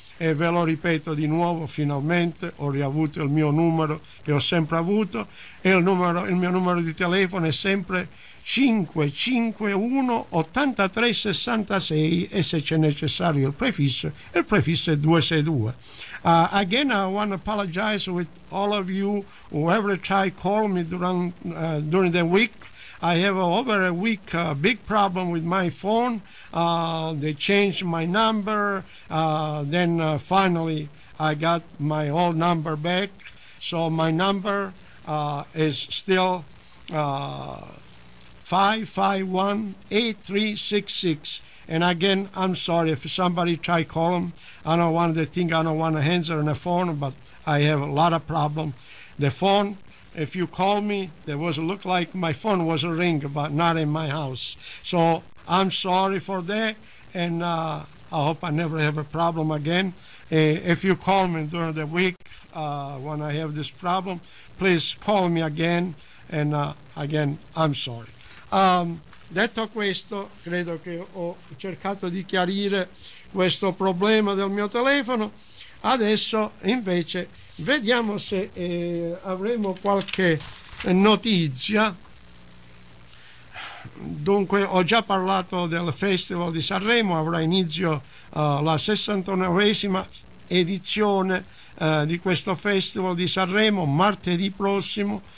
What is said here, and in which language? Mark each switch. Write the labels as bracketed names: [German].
[Italian] e ve lo ripeto di nuovo: finalmente ho riavuto il mio numero che ho sempre avuto, e il mio numero di telefono è sempre 551 83 66, e se c'è necessario il prefisso è 262. [English] Again, I want to apologize with all of you who every time call me during the week. I have over a week a big problem with my phone. They changed my number. Then finally I got my old number back. So my number is still 551-8366. And again, I'm sorry if somebody try call them. I don't want to think, I don't want to answer on the phone, but I have a lot of problem. The phone, if you call me, there was look like my phone was a ring, but not in my house. So I'm sorry for that, and I hope I never have a problem again. If you call me during the week when I have this problem, please call me again, and again, I'm sorry. [Italian] Detto questo, credo che ho cercato di chiarire questo problema del mio telefono. Adesso invece vediamo se avremo qualche notizia. Dunque, ho già parlato del Festival di Sanremo, avrà inizio la 69esima edizione di questo Festival di Sanremo martedì prossimo.